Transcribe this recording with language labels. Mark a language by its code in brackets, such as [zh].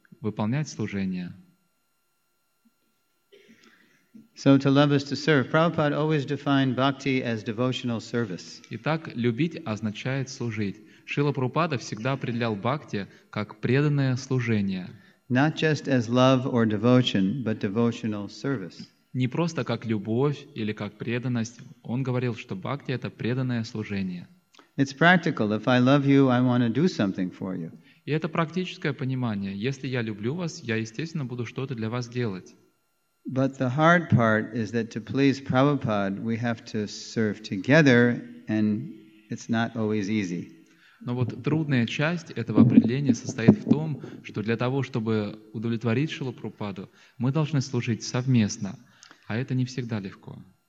[ru] Выполнять служение. [en] So to love is to serve. Prabhupada always defined bhakti as devotional service. [ru] Итак, любить означает служить. Шрила Прабхупада всегда определял бхакти как преданное служение. [en] Not just as love or devotion, but devotional service. [ru] Не просто как любовь или как преданность. Он говорил, что бхакти это преданное служение. [en] It's practical. If I love you, I want to do something for you. [ru] И это практическое понимание. Если я люблю вас, я естественно буду что-то для вас делать. [en] But the hard part is that to please Prabhupada, we have to serve together, and it's not always easy. [ru] Но вот трудная часть этого определения состоит в том, что для того, чтобы удовлетворить Шрилу Прабхупаду, мы должны служить совместно, а это не всегда легко.